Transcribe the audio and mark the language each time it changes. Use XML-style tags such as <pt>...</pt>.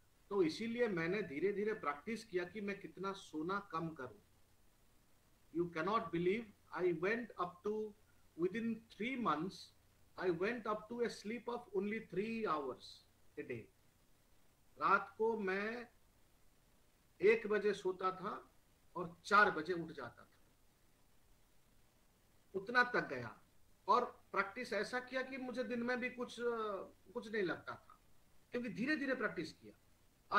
<hi>तो इसीलिए मैंने धीरे धीरे प्रैक्टिस किया कि मैं कितना सोना कम करूं।</hi> <en>You cannot believe. I went up to, within 3 months, I went up to a sleep of only 3 hours a day.</en> <hi>रात को मैं 1 बजे सोता था और 4 बजे उठ जाता था, उतना तक गया। और प्रैक्टिस ऐसा किया कि मुझे दिन में भी कुछ कुछ नहीं लगता था, क्योंकि धीरे धीरे प्रैक्टिस किया।</hi>